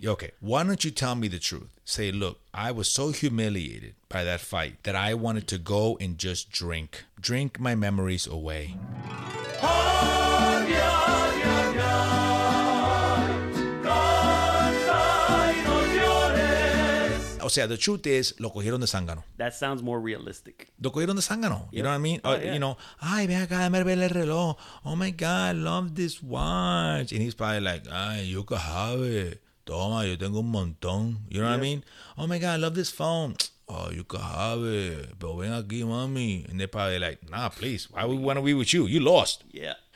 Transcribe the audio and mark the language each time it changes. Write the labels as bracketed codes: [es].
[en] Okay, why don't you tell me the truth? Say, look, I was so humiliated by that fight that I wanted to go and just drink my memories away. [es] O sea, [en] the truth is, [es] lo cogieron de zángano. [en] That sounds more realistic. [es] Lo cogieron de zángano. [en] Yep. You know what I mean? Yeah. You know, [es] ay, ven acá, me ver el reloj. [en] Oh my God, I love this watch. And he's probably like, ay, you can have it. [es] Toma, yo tengo un montón. [en] You know what I mean? Oh my God, I love this phone. Oh, you can have it. [es] Pero ven aquí, mami. [en] And they're probably like, nah, please. Why would we want to be with you? You lost. Yeah.